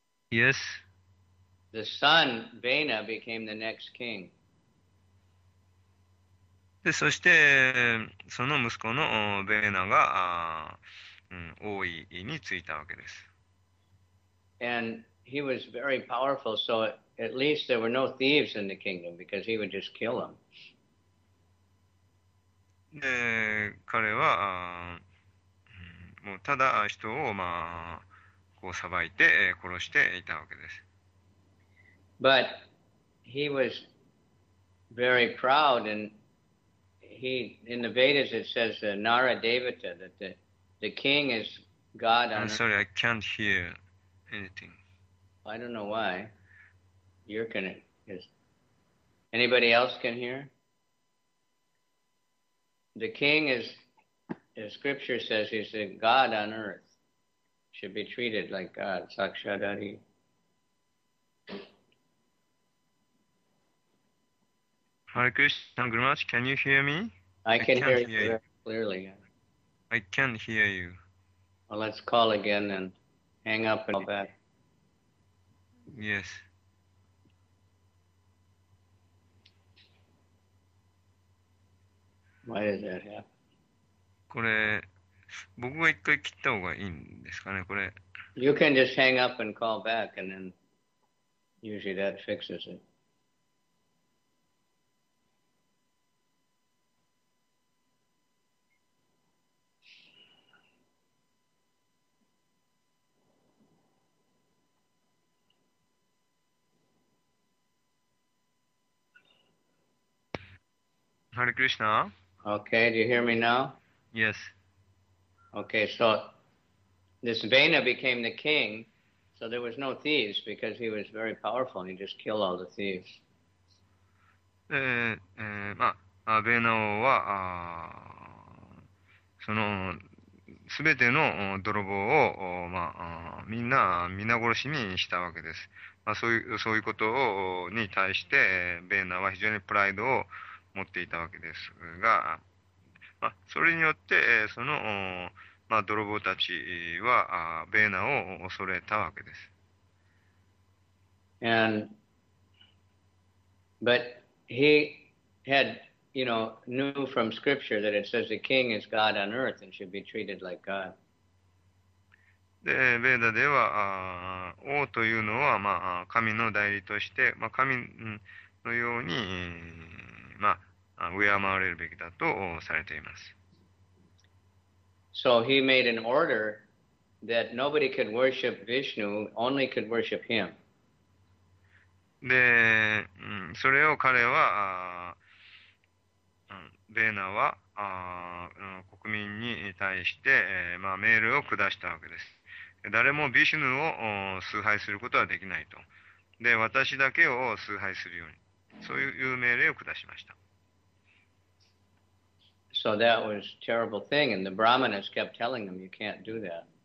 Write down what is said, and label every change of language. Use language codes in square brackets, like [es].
[en] Yes. The son, Vena, became the next king. [ja] で、そしてその息子のベーナが王位に就いたわけです。 [en] And he was very powerful, so at least there were no thieves in the kingdom because he would just kill them. [ja] で、彼はもうただ人をまあこう裁いて殺していたわけです。 [en] But he was very proud and he, in the Vedas it says Nara Devata, that the king is God on earth. I'm sorry, I can't hear anything. I don't know why. You're gonna, is anybody else can hear? The king is, as scripture says, he's a God on earth. Should be treated like God. Sakshadari. Hare Krishna Gurumaj, can you hear me? I can hear you clearly. I can't hear you. Well, let's call again and hang up and call back. Yes. Why does that happen? [ja] これ、僕が一回切った方がいいんですかね、これ。 [en] You can just hang up and call back and then usually that fixes it. Hare Krishna. Okay, do you hear me now? Yes. Okay, so this Vena became the king, so there was no thieves because he was very powerful and he just killed all the thieves. [ja] Vena は、その、すべての泥棒を、まあ、みんな皆殺しにしたわけです。まあ、そういうことをに対して、Vena は非常にプライドを持っていたわけですが、まあ、それによってその、まあ、泥棒たちはベーナを恐れたわけです。 [en] And but he had, you know, knew from scripture that it says the king is God on earth and should be treated like God. [ja] で、ベーナでは王というのは、まあ、神の代理として、まあ、神のようにまあ、上回れるべきだとされています。 [en] So he made an order that nobody could worship Vishnu, only could worship him. [ja] で、それを彼は、ベーナは国民に対して、まあ、命令を下したわけです。誰もビシュヌを崇拝することはできないと。で、私だけを崇拝するように。そういう命令を下しました。 [en] So that was a terrible thing, and the Brahmanas kept telling them, you can't do that.